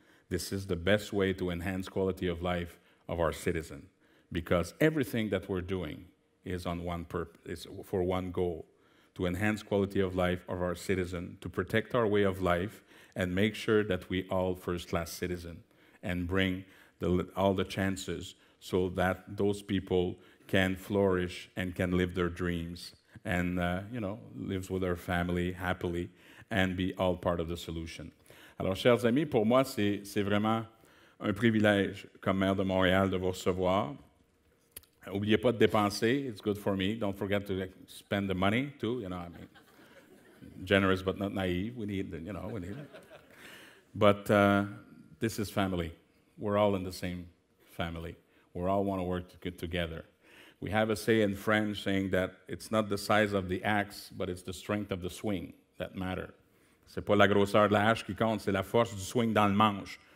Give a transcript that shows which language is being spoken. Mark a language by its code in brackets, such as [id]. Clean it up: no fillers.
[en] This is the best way to enhance quality of life of our citizen, because everything that we're doing is on one purpose, is for one goal, to enhance quality of life of our citizen, to protect our way of life, and make sure that we all first-class citizen, and bring all the chances so that those people can flourish and can live their dreams, and lives with their family happily, and be all part of the solution. [fr] Alors, chers amis, pour moi, c'est vraiment un privilège comme maire de Montréal de vous recevoir. N'oubliez pas de dépenser. [en] It's good for me. Don't forget to spend the money too. You know, I mean, generous but not naive. We need it. But this is family. We're all in the same family. We all want to work together. We have a say in French saying that it's not the size of the axe, but it's the strength of the swing that matter. [fr] C'est pas la grosseur de la hache qui compte, c'est la force du swing dans le manche.